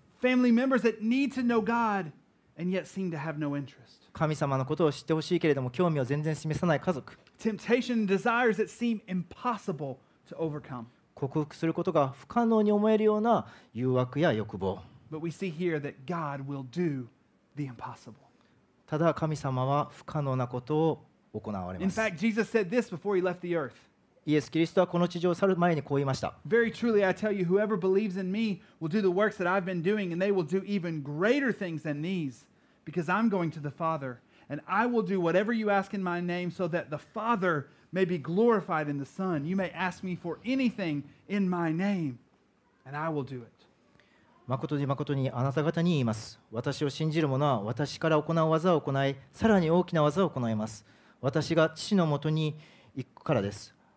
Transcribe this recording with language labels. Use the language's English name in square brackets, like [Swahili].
[English] Family members that need to know God and yet seem to have no interest. [Japanese] 神様のことを知ってほしいけれども興味を全然示さない家族。 [English] Temptation and desires that seem impossible to overcome. [Japanese] 克服することが不可能に思えるような誘惑や欲望。 [English] But we see here that God will do the impossible. [Japanese] ただ神様は不可能なことを行われます。 [English] In fact, Jesus said this before he left the earth. [Japanese] イエス・キリストはこの地上を去る前にこう言いました。 [English] Very truly I tell you, whoever believes in me will do the works that I've been doing, and they will do even greater things than these, because I'm going to the Father, and I will do whatever you ask in my name, so that the Father may be glorified in the Son. You may ask me for anything in my name, and I will do it. [Japanese] 誠に誠にあなた方に言います。私を信じる者は私から行う技を行い、さらに大きな技を行います。私が父のもとに行くからです。